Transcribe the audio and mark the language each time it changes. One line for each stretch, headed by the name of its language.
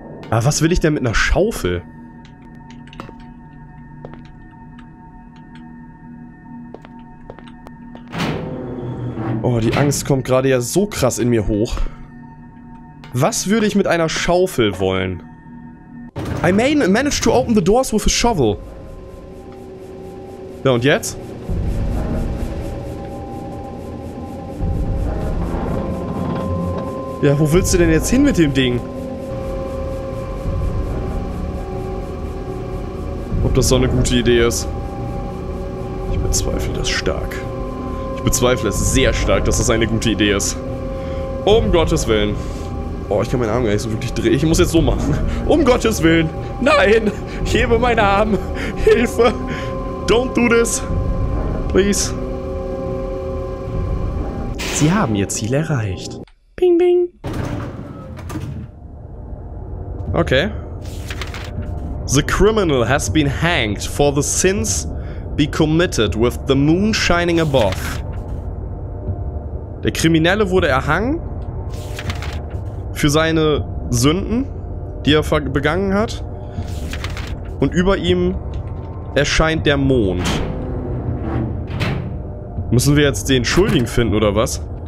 German: Aber was will ich denn mit einer Schaufel? Oh, die Angst kommt gerade ja so krass in mir hoch. Was würde ich mit einer Schaufel wollen?
English: I managed to open the doors with a shovel.
German: Ja, und jetzt? Ja, wo willst du denn jetzt hin mit dem Ding? Ob das so eine gute Idee ist? Ich bezweifle das stark. Ich bezweifle es sehr stark, dass das eine gute Idee ist. Um Gottes Willen. Oh, ich kann meinen Arm gar nicht so wirklich drehen. Ich muss jetzt so machen. Um Gottes Willen. Nein! Hebe meinen Arm! Hilfe!
English: Don't do this! Please.
German: Sie haben ihr Ziel erreicht. Bing, bing. Okay.
English: The criminal has been hanged for the sins be committed with the moon shining above.
German: Der Kriminelle wurde erhangen für seine Sünden, die er begangen hat. Und über ihm erscheint der Mond. Müssen wir jetzt den Schuldigen finden oder was?